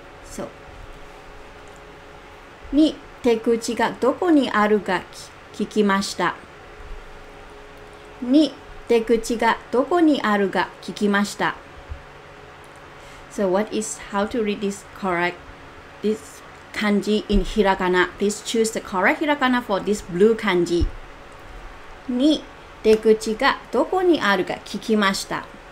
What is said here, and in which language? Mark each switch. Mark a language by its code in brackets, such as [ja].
[ja] そう。 2。手口がどこにあるか聞きました。 2。出口がどこにあるか聞きました。 [en] So what is how to read this correct this kanji in hiragana? Please choose the correct hiragana for this blue kanji. 2. [ja] 出口がどこにあるか聞きました。